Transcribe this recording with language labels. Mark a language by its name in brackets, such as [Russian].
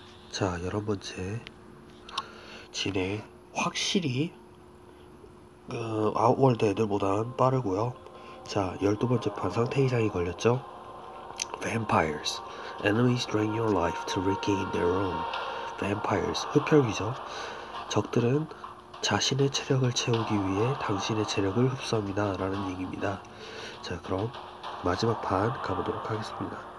[Korean] 자, 11번째 진행 확실히 아웃월드 애들보단 빠르고요. 자, 12번째 판 상태 이상이 걸렸죠? [English] Vampires, enemies drain your life to regain their own. [Korean] Vampires, 흑혈귀죠? 적들은 자신의 체력을 채우기 위해 당신의 체력을 흡수합니다라는 얘기입니다. 자, 그럼 마지막 판 가보도록 하겠습니다.